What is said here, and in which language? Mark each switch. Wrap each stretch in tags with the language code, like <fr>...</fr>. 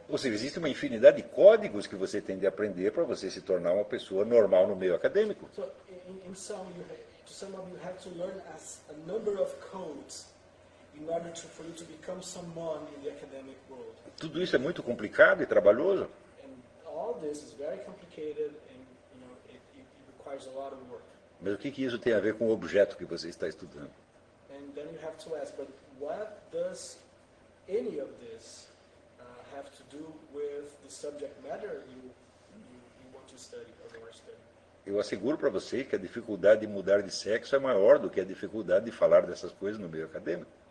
<pt>Ou seja, existe uma infinidade de códigos que você tem de aprender para você se tornar uma pessoa normal no meio acadêmico.</pt> <en>So, in some, you have to learn as a number of codes in order for you to become someone in the academic world.</en> <pt>Tudo isso é muito complicado e trabalhoso.</pt> <en>And all this is very complicated and, you know, it requires a lot of work.</en> <pt>Mas o que isso tem a ver com o objeto que você está estudando?</pt> <en>And then you have to ask, but what does any of this have to do with the subject matter you want to study or are studying?</en> <pt>Eu asseguro para você que a dificuldade de mudar de sexo é maior do que a dificuldade de falar dessas coisas no meio acadêmico.</pt>